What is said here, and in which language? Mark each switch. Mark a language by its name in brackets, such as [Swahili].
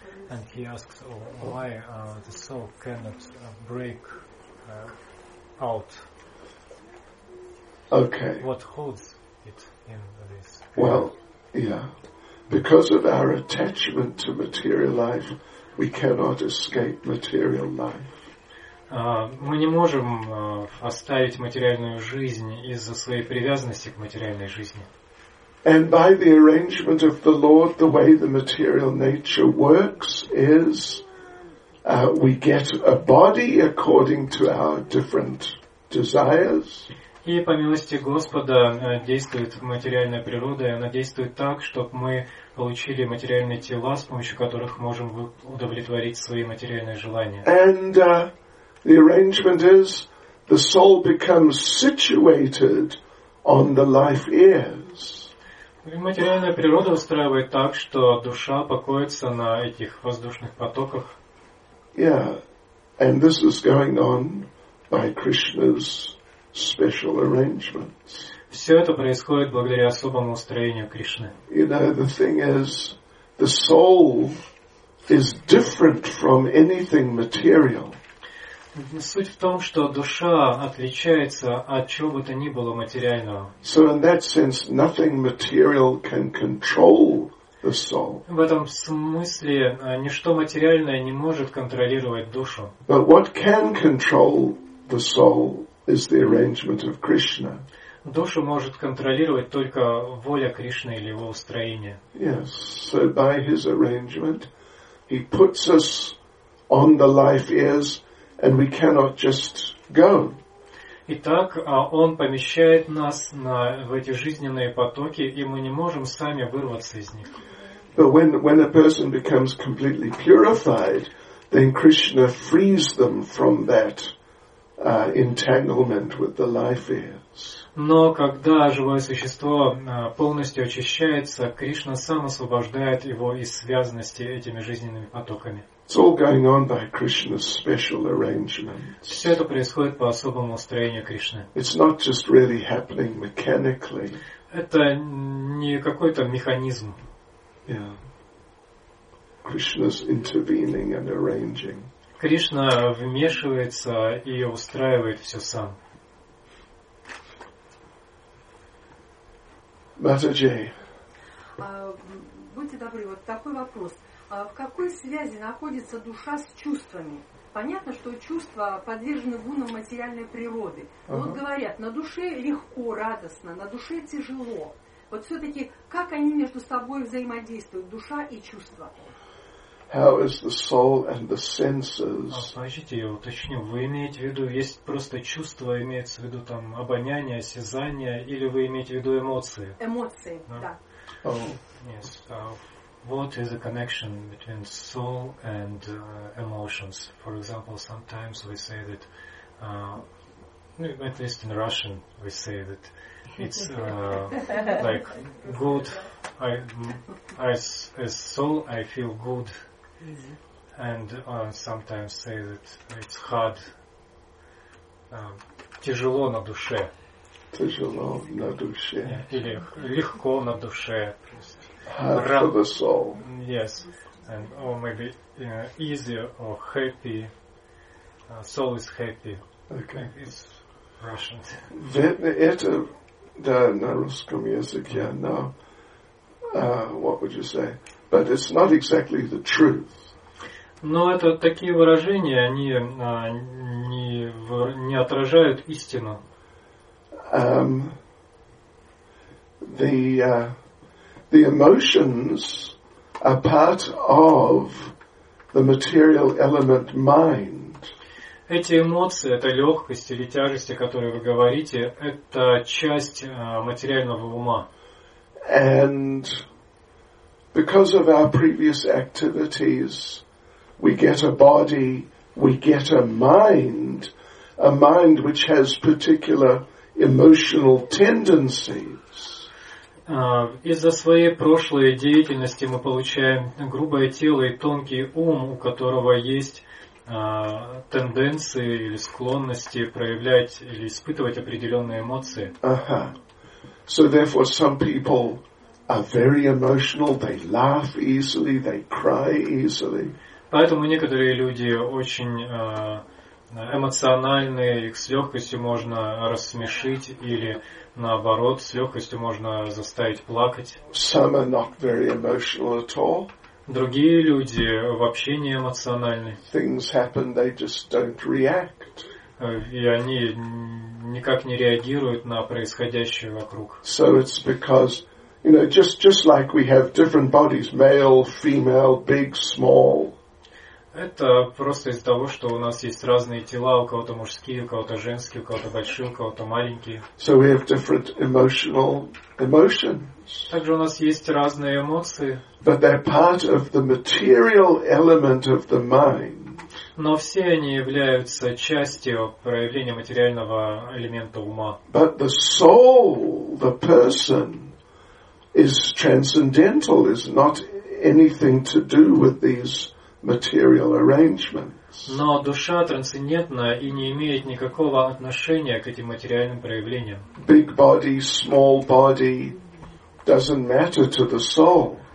[English] And he asks, why the soul cannot break out? Okay. What holds it in this? Well, yeah. Because of our attachment to material life, we cannot escape material life. [Russian] Мы не можем оставить материальную жизнь из-за своей привязанности к материальной жизни. [English] And by the arrangement of the Lord, the way the material nature works is we get a body according to our different desires. [Russian] И по милости Господа действует материальная природа, и она действует так, чтобы мы получили материальные тела, с помощью которых можем удовлетворить свои материальные желания. [English] And the arrangement is the soul becomes situated on the life ears. [Russian] Материальная природа устраивает так, что душа покоится на этих воздушных потоках. [English] Yeah, and this is going on by Krishna's special arrangements. [Russian] Все это происходит благодаря особому устроению Кришны. [English] You know, the thing is, the soul is different from anything material. [Russian] Суть в том, что душа отличается от чего бы то ни было материального. [English] So in that sense, nothing material can control the soul. [Russian] В этом смысле ничто материальное не может контролировать душу. [English] But what can control the soul is the arrangement of Krishna. [Russian] Душу может контролировать только воля Кришны или его устроение. [English] Yes, so by his arrangement, he puts us on the life ears. And we cannot just go. [Russian] Итак, он помещает нас в эти жизненные потоки, и мы не можем сами вырваться из них. [English] But when a person becomes completely purified, then Krishna frees them from that entanglement with the life ears. [Russian] Но когда живое существо полностью очищается, Кришна сам освобождает его из связанности этими жизненными потоками. [English] It's all going on by Krishna's special arrangement. [Russian] Все это происходит по особому устроению Кришны. [English] It's not just really happening mechanically. [Russian] Это не какой-то механизм. [English] Yeah. Krishna's intervening and arranging. [Russian] Кришна вмешивается и устраивает все сам. Матаджи. Будьте добры, вот такой вопрос. В какой связи находится душа с чувствами? Понятно, что чувства подвержены гунам материальной природы. Но вот говорят, на душе легко, радостно, на душе тяжело. Вот все-таки, как они между собой взаимодействуют, душа и чувства? [English] How is the soul and the senses? [Russian] Смотрите, я уточню. Вы имеете в виду, есть просто чувства, имеется в виду там обоняние, осязание, или вы имеете в виду эмоции? Эмоции, да. [English] Yes. What is the connection between soul and emotions? For example, sometimes we say that, at least in Russian, we say that it's like good. As soul, I feel good. Mm-hmm. And sometimes say that it's hard. [Russian] Тяжело на душе. Тяжело на душе. Легко на душе. [English] Hard for the soul. Yes, and or maybe easier or happy. Soul is happy. Okay, it's Russian. [Russian] Это да на русском языке. [English] No, what would you say? But it's not exactly the truth. [Russian] Но это такие выражения, они не отражают истину. [English] The emotions are part of the material element mind. [Russian] Эти эмоции, эта легкость или тяжесть, о которой вы говорите, это часть материального ума. [English] And because of our previous activities, we get a body, we get a mind which has particular emotional tendencies. [Russian] Из-за своей прошлой деятельности мы получаем грубое тело и тонкий ум, у которого есть тенденции или склонности проявлять или испытывать определенные эмоции. Ага. [English] So therefore some people are very emotional, they laugh easily, they cry easily. [Russian] Поэтому некоторые люди очень эмоциональные, их с легкостью можно рассмешить или наоборот, с легкостью можно заставить плакать. [English] Some are not very emotional at all. [Russian] Другие люди вообще не эмоциональны. [English] Things happen, they just don't react. [Russian] И они никак не реагируют на происходящее вокруг. [English] So it's because, you know, just like we have different bodies, male, female, big, small. [Russian] Это просто из-за того, что у нас есть разные тела, у кого-то мужские, у кого-то женские, у кого-то большие, у кого-то маленькие. [English] So we have different emotional emotions. [Russian] Также у нас есть разные эмоции. [English] But they're part of the material element of the mind. [Russian] Но все они являются частью проявления материального элемента ума. [English] But the soul, the person, is transcendental, is not anything to do with these material arrangements. [Russian] Но душа трансцендентна и не имеет никакого отношения к этим материальным проявлениям. [English] Big body, small body doesn't matter to the soul.